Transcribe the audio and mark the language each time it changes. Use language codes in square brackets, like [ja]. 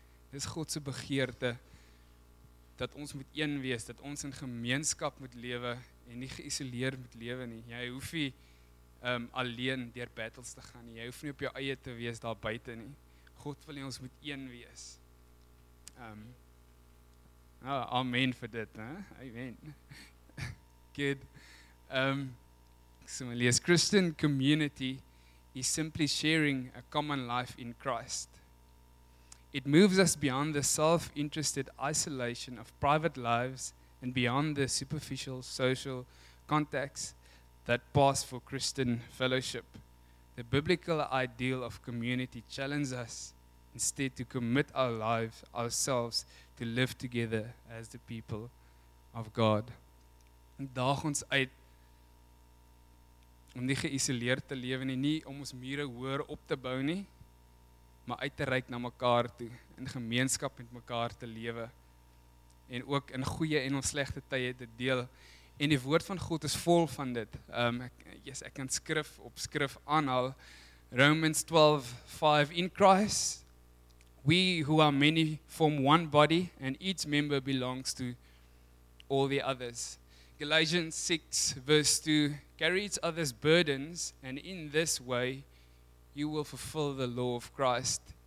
[af] Dis God se begeerte dat ons moet een wees, dat ons in gemeenskap moet lewe en nie geïsoleerd moet lewe nie. Jy hoef nie alleen deur battles te gaan nie. Jy hoef nie op jou eie te wees daar buite nie. God wil nie, ons moet een wees. Amen vir dit, hè? Amen. Good. So my lees, [en] Christian community is simply sharing a common life in Christ. It moves us beyond the self-interested isolation of private lives and beyond the superficial social contacts that pass for Christian fellowship. The biblical ideal of community challenges us instead to commit our lives, ourselves, to live together as the people of God. [af] Daag ons uit om nie geïsoleerd te lewe nie, nie om ons mure hoër op te bou nie, maar uit te reik na mekaar toe, in gemeenskap met mekaar te lewe, en ook in goeie en ons slegte tye te deel. En die woord van God is vol van dit. Ek kan skrif op skrif aanhaal, [en] Romans 12:5, in Christ, we who are many form one body, and each member belongs to all the others. Galatians 6, verse 2, carry each other's burdens, and in this way you will fulfill the law of Christ.